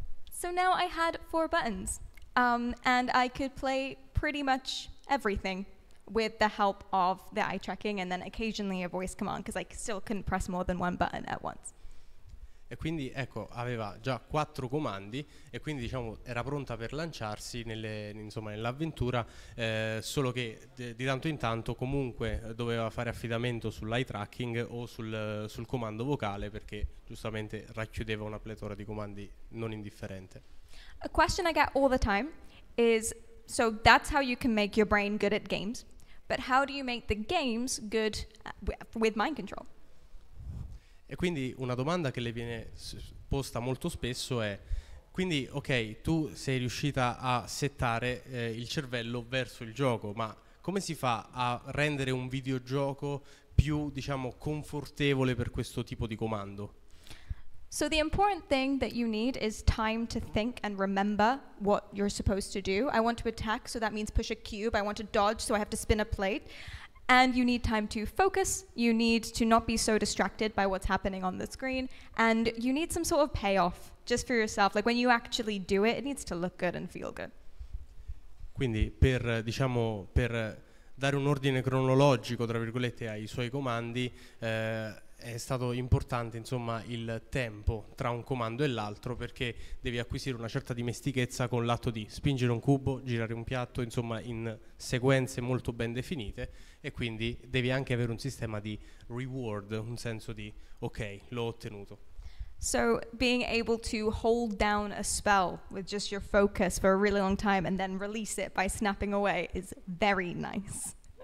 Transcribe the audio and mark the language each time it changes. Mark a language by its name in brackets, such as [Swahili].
[English] So now I had four buttons and I could play pretty much everything with the help of the eye tracking and then occasionally a voice command, because I still couldn't press more than one button at once. [Italian] E quindi ecco, aveva già quattro comandi e quindi diciamo era pronta per lanciarsi nelle, insomma, nell'avventura, solo che di tanto in tanto comunque doveva fare affidamento sull'eye tracking o sul comando vocale, perché giustamente racchiudeva una pletora di comandi non indifferente. [English] A question I get all the time is, so that's how you can make your brain good at games, but how do you make the games good with mind control? [Italian] E quindi una domanda che le viene posta molto spesso è, quindi ok, tu sei riuscita a settare il cervello verso il gioco, ma come si fa a rendere un videogioco più, diciamo, confortevole per questo tipo di comando? [English] So the important thing that you need is time to think and remember what you're supposed to do. I want to attack, so that means push a cube. I want to dodge, so I have to spin a plate. And you need time to focus, you need to not be so distracted by what's happening on the screen, and you need some sort of payoff just for yourself. Like when you actually do it, it needs to look good and feel good. [Italian] Quindi per, diciamo, per dare un ordine cronologico, tra virgolette, ai suoi comandi, è stato importante, insomma, il tempo tra un comando e l'altro, perché devi acquisire una certa dimestichezza con l'atto di spingere un cubo, girare un piatto, insomma, in sequenze molto ben definite, e quindi devi anche avere un sistema di reward, un senso di ok, l'ho ottenuto. [English] So being able to hold down a spell with just your focus for a really long time and then release it by snapping away is very nice.